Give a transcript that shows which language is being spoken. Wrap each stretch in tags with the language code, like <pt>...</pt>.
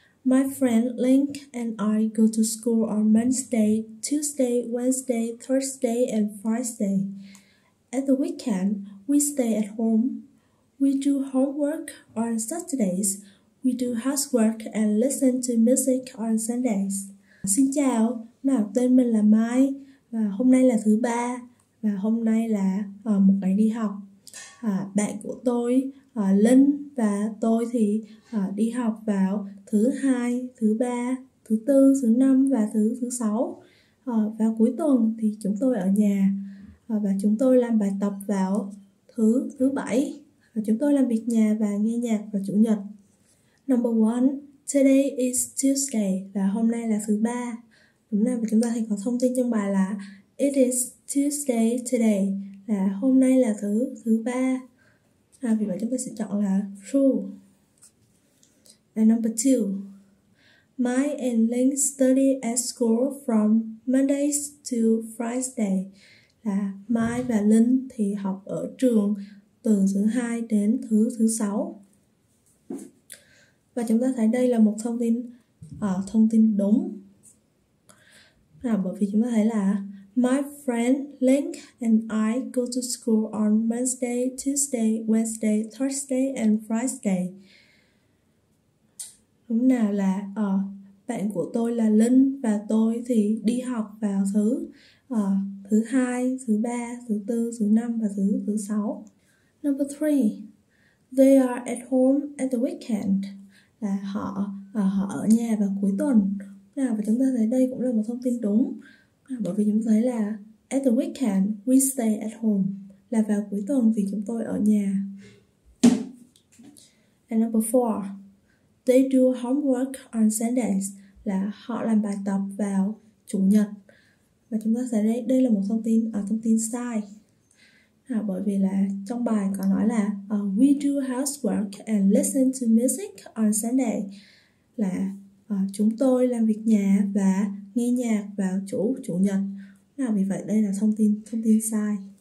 <en>My friend Link and I go to school on Monday, Tuesday, Wednesday, Thursday and Friday. At the weekend, we stay at home. We do homework on Saturdays. We do housework and listen to music on Sundays.</en> <vi>Xin chào, nào, tên mình là Mai và hôm nay là thứ ba và hôm nay là một ngày đi học. Bạn của tôi, Linh và tôi thì đi học vào thứ hai, thứ ba, thứ tư, thứ năm và thứ sáu. Và cuối tuần thì chúng tôi ở nhà. Và chúng tôi làm bài tập vào thứ bảy. Và chúng tôi làm việc nhà và nghe nhạc vào chủ nhật.</vi> <en>Number 1. Today is Tuesday.</en> <vi>Và hôm nay là thứ ba. Đúng là chúng ta thì có thông tin trong bài là</vi> <en>It is Tuesday today.</en> <vi>Là hôm nay là thứ ba. Vì vậy chúng ta sẽ chọn là true.</vi> <en>And number 2. Mai and Link study at school from Mondays to Friday.</en> <vi>Là Mai và Linh thì học ở trường từ thứ hai đến thứ sáu. Và chúng ta thấy đây là một thông tin đúng. Bởi vì chúng ta thấy là</vi> <en>My friend Link and I go to school on Monday, Tuesday, Wednesday, Thursday and Friday.</en> <vi>Đúng nào là bạn của tôi là Linh và tôi thì đi học vào thứ hai, thứ ba, thứ tư, thứ năm và thứ sáu.</vi> <en>Number 3. They are at home at the weekend.</en> <vi>Là họ ở nhà vào cuối tuần. Và chúng ta thấy đây cũng là một thông tin đúng. Bởi vì chúng ta thấy là</vi> <en>at the weekend we stay at home.</en> <vi>Là vào cuối tuần thì chúng tôi ở nhà.</vi> <en>And number 4. They do homework on Sundays.</en> <vi>Là họ làm bài tập vào chủ nhật. Và chúng ta sẽ thấy đây là một thông tin sai. Bởi vì là trong bài có nói là</vi> <en>we do housework and listen to music on Sunday.</en> <vi>Là chúng tôi làm việc nhà và nghe nhạc vào chủ nhật. Vì vậy đây là thông tin sai.</vi>